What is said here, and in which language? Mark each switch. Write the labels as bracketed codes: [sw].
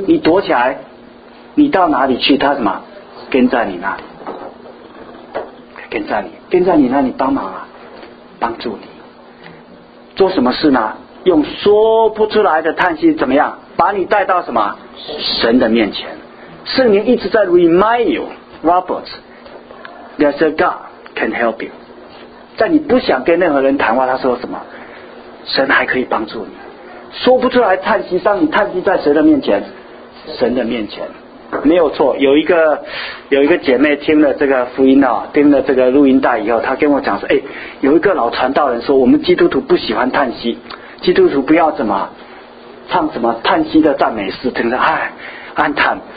[zh] 你躲起来，你到哪里去，他什么跟在你那里，跟在你那里帮忙啊，帮助你做什么事呢？用说不出来的叹息怎么样把你带到什么神的面前。圣灵一直在 [en] remind you, Robert, there's a GodCan help you. [zh] 在你不想跟任何人谈话，他说什么？神还可以帮助你。说不出来叹息，让你叹息在谁的面前？神的面前，没有错。有一个姐妹听了这个福音啊，听了这个录音带以后，她跟我讲说，哎，有一个老传道人说，我们基督徒不喜欢叹息，基督徒不要怎么唱什么叹息的赞美诗，听着哎，暗叹。